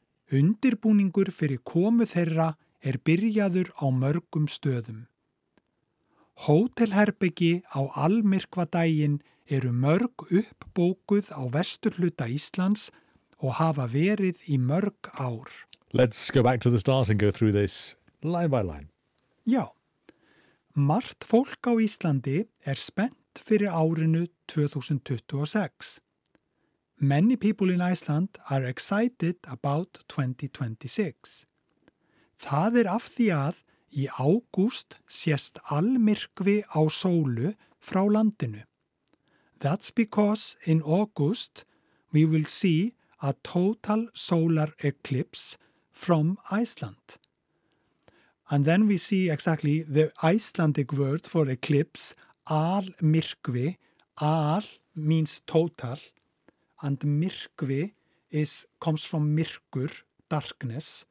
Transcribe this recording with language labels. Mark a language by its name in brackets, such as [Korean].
[Icelandic] Undirbúningur fyrir komu þeirra byrjaður á mörgum stöðum. Hótelherbergi á almyrkvadaginn mörg uppbókuð á vesturhluta Íslands og hafa verið í mörg ár. [English] Let's go back to the start and go through this line by line. [Icelandic] Já. Margt fólk á Íslandi spennt fyrir árinu 2026. [English] Many people in Iceland are excited about 2026. [Icelandic] Það af því að í ágúst sést almyrkvi á sólu frá landinu. [English] That's because in August we will see a total solar eclipse from Iceland. And then we see exactly the Icelandic word for eclipse, almyrkvi. Al means total and myrkvi comes from myrkur, darkness.